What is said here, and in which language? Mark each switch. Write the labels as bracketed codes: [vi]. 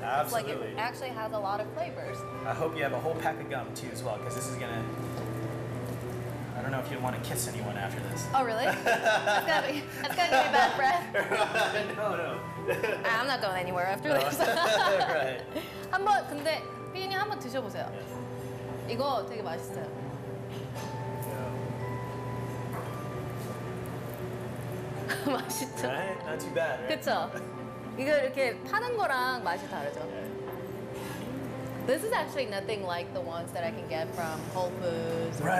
[en] Absolutely. It's like it actually has a lot of flavors. I hope you have a whole pack of gum too as well, because this is gonna, I don't know if you'd want to kiss anyone after this. Oh really? that's gonna be bad breath. No. I'm not going anywhere after this. Right. [ko] 한번 근데 피니 한번 드셔보세요. 이거 되게 맛있어요. [en] Right? Not too bad, right? [ko] 그쵸? 이거 이렇게 파는 거랑 맛이 다르죠. [en] This is actually nothing like the ones that I can get from Whole Foods.